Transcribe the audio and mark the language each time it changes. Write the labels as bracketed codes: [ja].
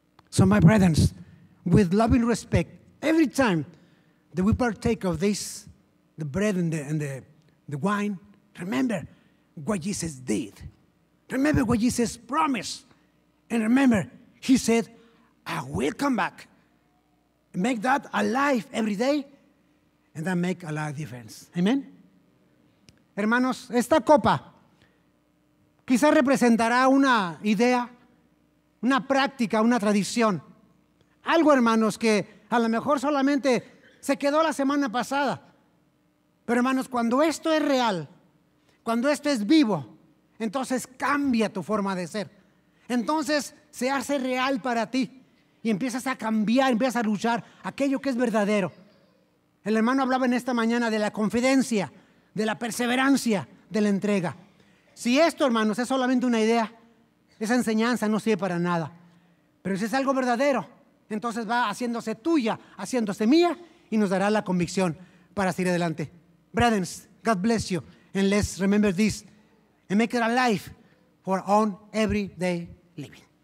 [en] So my brethren, with loving respect, every time that we partake of this, the bread and the wine, remember what Jesus did. Remember what Jesus promised. And remember, he said, I will come back. Make that alive every day, and that make a lot of difference. Amen? [es] Hermanos, esta copa quizás representará una idea, una práctica, una tradición. Algo, hermanos, que a lo mejor solamente se quedó la semana pasada. Pero hermanos, cuando esto es real, cuando esto es vivo, entonces cambia tu forma de ser. Entonces se hace real para ti. y empiezas a cambiar, empiezas a luchar aquello que es verdadero. El hermano hablaba en esta mañana de la confidencia, de la perseverancia, de la entrega. Si esto, hermanos, es solamente una idea, esa enseñanza no sirve para nada. Pero si es algo verdadero, entonces va haciéndose tuya, haciéndose mía, y nos dará la convicción para seguir adelante. [en] Brethren, God bless you, and let's remember this, and make it a life for on everyday living.